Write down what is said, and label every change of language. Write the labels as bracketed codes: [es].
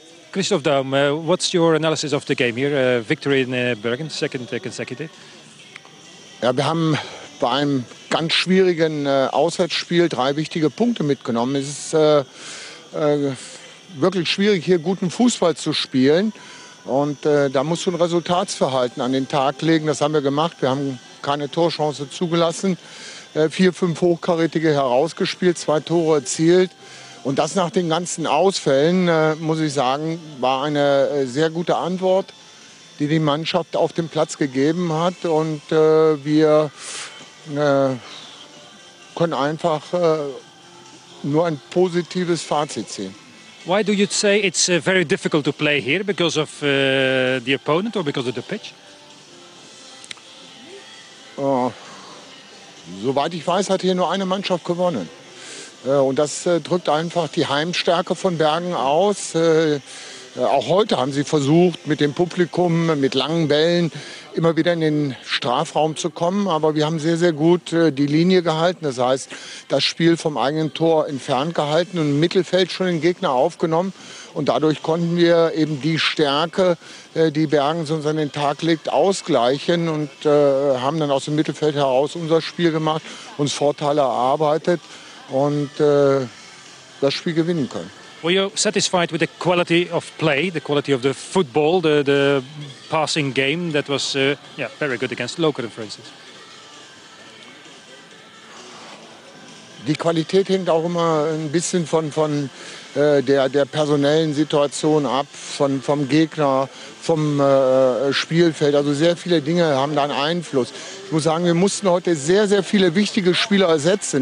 [en] Christophe Daum, what's your analysis of the game here? Victory in Bergen, second consecutive. [de] Ja, wir haben bei einem ganz schwierigen Auswärtsspiel drei wichtige Punkte mitgenommen. Es ist wirklich schwierig, hier guten Fußball zu spielen. Und da musst du ein Resultatsverhalten an den Tag legen. Das haben wir gemacht. Wir haben keine Torchance zugelassen. 4-5 hochkarätige herausgespielt, 2 Tore erzielt. Und das nach den ganzen Ausfällen, muss ich sagen, war eine sehr gute Antwort, die die Mannschaft auf dem Platz gegeben hat. Und wir können einfach nur ein positives Fazit ziehen. [en] Why do you say it's very difficult to play here because of the opponent or because of the pitch? [de] Soweit ich weiß, hat hier nur eine Mannschaft gewonnen. Und das drückt einfach die Heimstärke von Bergen aus. Auch heute haben sie versucht, mit dem Publikum, mit langen Bällen immer wieder in den Strafraum zu kommen. Aber wir haben sehr, sehr gut die Linie gehalten. Das heißt, das Spiel vom eigenen Tor entfernt gehalten und im Mittelfeld schon den Gegner aufgenommen. Und dadurch konnten wir eben die Stärke, die Bergen sonst an den Tag legt, ausgleichen und haben dann aus dem Mittelfeld heraus unser Spiel gemacht, uns Vorteile erarbeitet und das Spiel gewinnen können. [en] Were you satisfied with the quality of play, the quality of the football, the passing game that was very good against Lokeren, for instance? [de] Die Qualität hängt auch immer ein bisschen von der personellen Situation ab, vom Gegner, vom Spielfeld. Also sehr viele Dinge haben da einen Einfluss. Ich muss sagen, wir mussten heute sehr, sehr viele wichtige Spieler ersetzen.